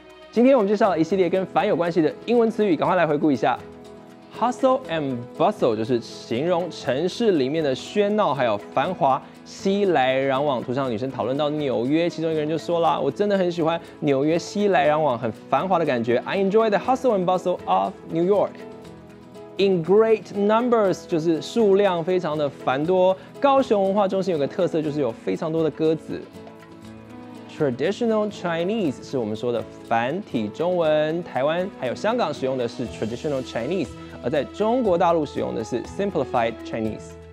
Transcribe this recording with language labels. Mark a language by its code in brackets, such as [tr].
[zh] 今天我们介绍了一系列跟繁有关系的英文词语，赶快来回顾一下。 [en] Hustle and bustle [zh] 就是形容城市里面的喧闹还有繁华，熙来攘往。图上的女生讨论到纽约，其中一个人就说了：“我真的很喜欢纽约熙来攘往，很繁华的感觉。 [en] I enjoy the hustle and bustle of New York.” In great numbers [zh] 就是数量非常的繁多。高雄文化中心有个特色，就是有非常多的鸽子。 [en] Traditional Chinese [zh] 是我们说的繁体中文，台湾还有香港使用的是 Traditional Chinese， 而在中国大陆使用的是 [en] Simplified Chinese。